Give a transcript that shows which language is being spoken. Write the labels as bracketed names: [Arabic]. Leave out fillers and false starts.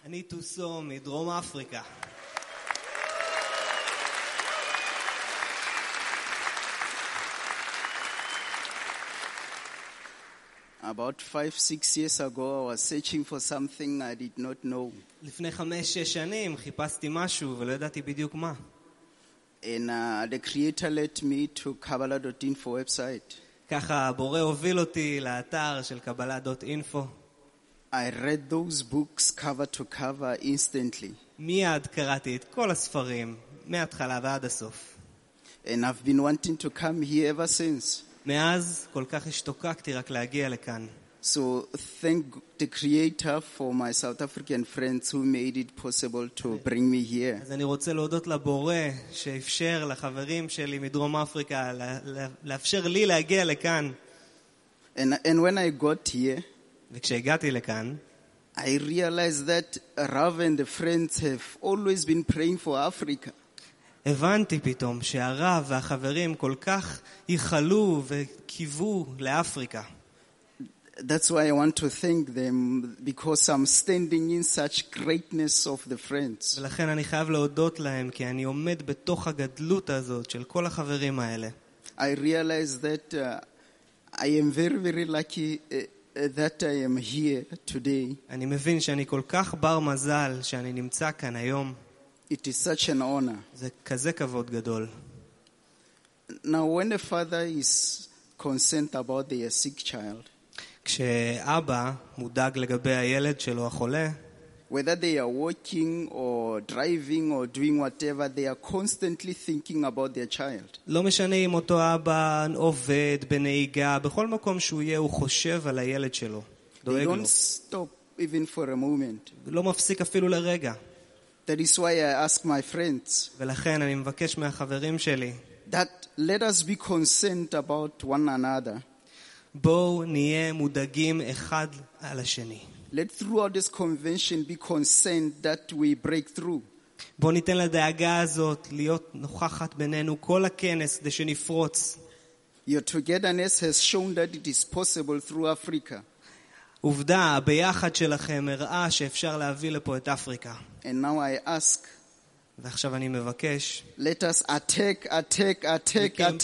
[Hebrew] אני טוסו מדרום אפריקה. [English] About 5-6 years ago I was searching for something I did not know. [Hebrew] לפני 5-6 שנים חיפשתי משהו ולא ידעתי בדיוק מה. [English] And the creator led me to kabbalah.info website. [Hebrew] ככה הבורא הוביל אותי לאתר של kabbalah.info. [English] I read those books cover to cover instantly. [Hebrew] מיד קראתי את כל הספרים מההתחלה ועד הסוף. [English] And I've been wanting to come here ever since. [Hebrew] מאז כל כך השתוקקתי רק להגיע לכאן. [English] So thank the creator for my South African friends who made it possible to bring me here. [Hebrew] אז אני רוצה להודות לבורא שאפשר לחברים שלי מדרום אפריקה לאפשר לי להגיע לכאן. [English] And when I got here, [Hebrew] וכשהגעתי לכאן, [English] I realized that Rav and the friends have always been praying for Africa. [Hebrew] הבנתי פתאום שהרב והחברים כל כך ייחלו וקיוו לאפריקה. [English] That's why I want to thank them because I'm standing in such greatness of the friends. [Hebrew] ולכן אני חייב להודות להם כי אני עומד בתוך הגדלות הזאת של כל החברים האלה. [English] I realize that I am very lucky that I am here today. [Hebrew] אני מבין שאני כל כך בר מזל שאני נמצא כאן היום. [English] It is such an honor. [Hebrew] זה כזה כבוד גדול. [English] Now when the father is concerned about the sick child. [Hebrew] כשאבא מודאג לגבי הילד שלו החולה. [English] Whether they are walking or driving or doing whatever, they are constantly thinking about their child. [Hebrew] לא משנה אם אותו אבא עובד בנהיגה, בכל מקום שהוא יהיה הוא חושב על הילד שלו. [English] They don't stop even for a moment. [Hebrew] לא מפסיק אפילו לרגע. [English] That is why I ask my friends. [Hebrew] ולכן אני מבקש מהחברים שלי. [English] That let us be concerned about one another. [Hebrew] בואו נהיה מודאגים אחד על השני. [English] Let throughout this convention be concerned that we break through. [Hebrew] בואו ניתן לדאגה הזאת להיות נוכחת בינינו כל הכנס כדי שנפרוץ. [English] Your togetherness has shown that it is possible through Africa. [Hebrew] עובדה, ביחד שלכם הראה שאפשר להביא לפה את אפריקה. [English] And now I ask. [Hebrew] ועכשיו אני מבקש. [English] Let us attack, attack, attack, attack.